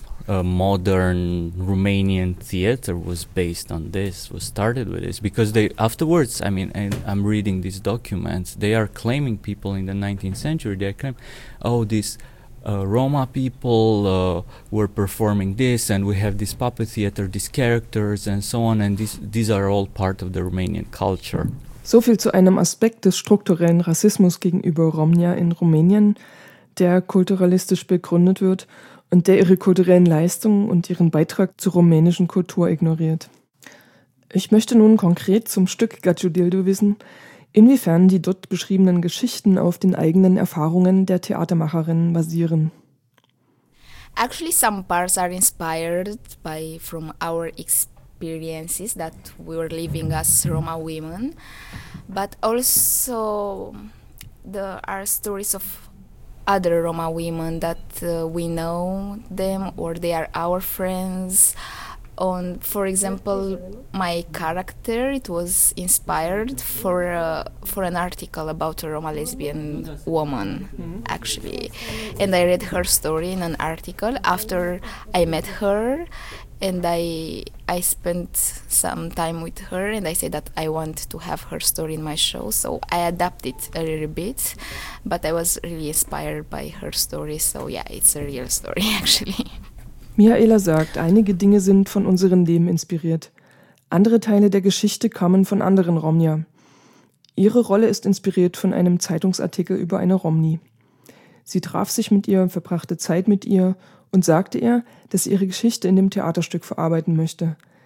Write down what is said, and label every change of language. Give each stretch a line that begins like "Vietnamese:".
English: modern Romanian theater was based on this, was started with this, because they afterwards, I mean, and I'm reading these documents, they are claiming people in the 19th century, they claim, oh, these Roma people were performing this, and we have this puppet theater, these characters and so on, and these are all part of the Romanian culture.
German: So viel zu einem Aspekt des strukturellen Rassismus gegenüber Romnia in Rumänien, der kulturalistisch begründet wird und der ihre kulturellen Leistungen und ihren Beitrag zur rumänischen Kultur ignoriert. Ich möchte nun konkret zum Stück Gaciu Dildo wissen, inwiefern die dort beschriebenen Geschichten auf den eigenen Erfahrungen der Theatermacherinnen basieren.
English: Actually, some parts are inspired by from our experiences that we were living as Roma women, but also there are stories of other Roma women that we know them or they are our friends. On, for example, my character, it was inspired for an article about a Roma lesbian woman, actually, and I read her story in an article after I met her. And I spent some time with her and I said that I want to have her story in my show. So I adapted a little bit, but I was really inspired by her story. So yeah, it's a real story actually.
German: Mihaela sagt, einige Dinge sind von unserem Leben inspiriert. Andere Teile der Geschichte kommen von anderen Romnia. Ihre Rolle ist inspiriert von einem Zeitungsartikel über eine Romni. Sie traf sich mit ihr, verbrachte Zeit mit ihr und sagte ihr, dass sie ihre Geschichte in dem Theaterstück verarbeiten möchte.